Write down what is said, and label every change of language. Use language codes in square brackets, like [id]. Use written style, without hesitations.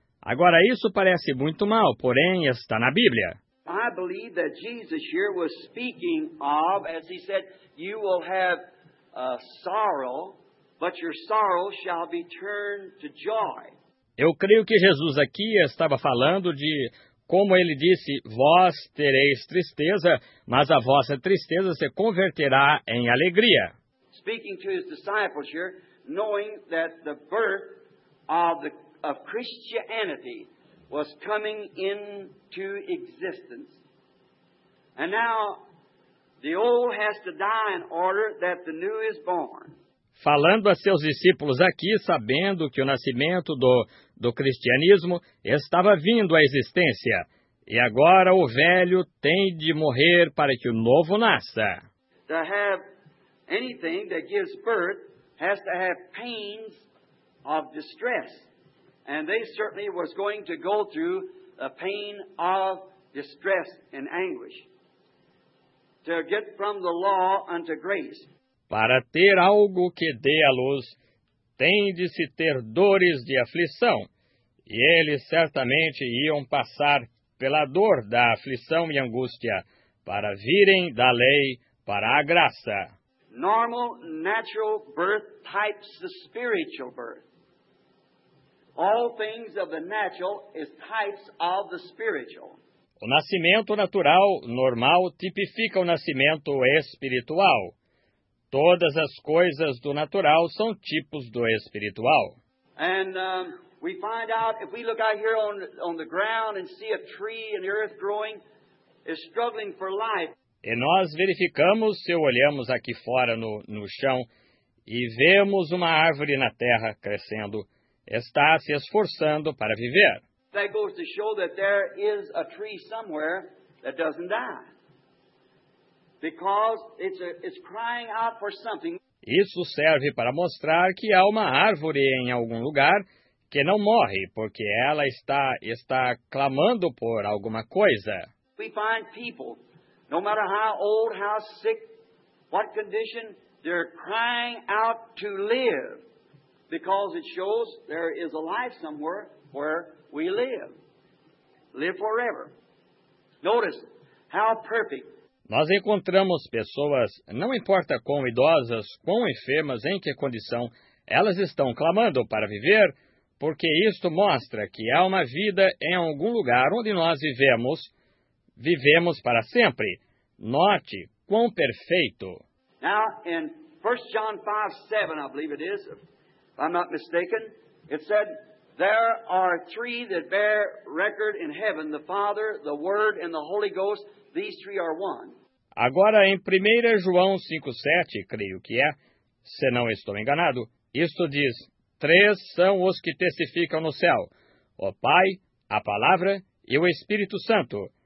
[pt] Agora, isso parece muito mal, porém está na Bíblia. [en] I believe that Jesus here was speaking of, as he said, you will have a sorrow, but your sorrow shall be turned to joy. [pt] Eu creio que Jesus aqui estava falando de, como ele disse, vós tereis tristeza, mas a vossa tristeza se converterá em alegria. [en] Speaking to his disciples here, knowing that the birth of Christianity was coming into existence. And now the old has to die in order that the new is born. [pt] Falando a seus discípulos aqui, sabendo que o nascimento do cristianismo estava vindo à existência, e agora o velho tem de morrer para que o novo nasça. [en] To have anything that gives birth has to have pains of distress. And they certainly was going to go through a pain of distress and anguish to get from the law unto grace. [pt] Para ter algo que dê à luz, tem de se ter dores de aflição. E eles certamente iam passar pela dor da aflição e angústia para virem da lei para a graça. [en] Normal, natural birth types the spiritual birth. All things of the natural is types of the spiritual. [pt] O nascimento natural, normal, tipifica o nascimento espiritual. Todas as coisas do natural são tipos do espiritual. [en] And we find out, if we look out here on the ground and see a tree and the earth growing, is struggling for life. [pt] E nós verificamos, se olhamos aqui fora no chão e vemos uma árvore na terra crescendo, está se esforçando para viver. [en] That goes to show that there is a tree somewhere that doesn't die. Because it's crying out for something. [pt] Isso serve para mostrar que há uma árvore em algum lugar que não morre, porque ela está clamando por alguma coisa. [en] We find people, no matter how old, how sick, what condition, they're crying out to live. Because it shows there is a life somewhere where we live. Live forever. Notice how perfect. [pt] Nós encontramos pessoas, não importa quão idosas, quão enfermas, em que condição, elas estão clamando para viver, porque isto mostra que há uma vida em algum lugar onde nós vivemos para sempre. Note quão perfeito. [en] Now, in 1 John 5:7, I believe it is, if I'm not mistaken, it said, there are three that bear record in heaven, the Father, the Word, and the Holy Ghost. These three are one. [pt] Agora, em 1 João 5:7, creio que é, se não estou enganado, isto diz, três são os que testificam no céu, o Pai, a Palavra e o Espírito Santo.